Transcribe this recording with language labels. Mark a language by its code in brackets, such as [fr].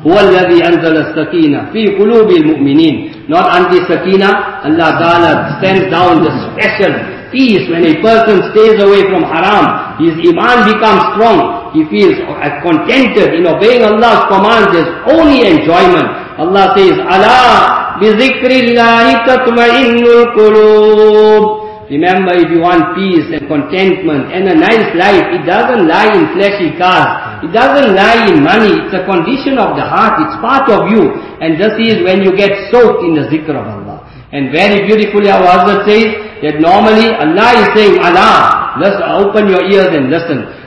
[ar] هُوَ الَّذِي أَنزَلَ السَّكِينَةَ فِي قُلُوبِ الْمُؤْمِنِينَ. [en] Not anti-sakina, Allah Ta'ala sends down the special peace. When a person stays away from haram, his iman becomes strong, he feels contented in obeying Allah's commands, there's only enjoyment. Allah says, [ar] أَلَا بِذِكْرِ اللَّهِ تَطْمَئِنُّ الْقُلُوبِ. [en] Remember, if you want peace and contentment and a nice life, it doesn't lie in fleshy cars. It doesn't lie in money. It's a condition of the heart. It's part of you. And this is when you get soaked in the zikr of Allah. And very beautifully our Hazrat says that normally Allah is saying, Allah, just open your ears and listen.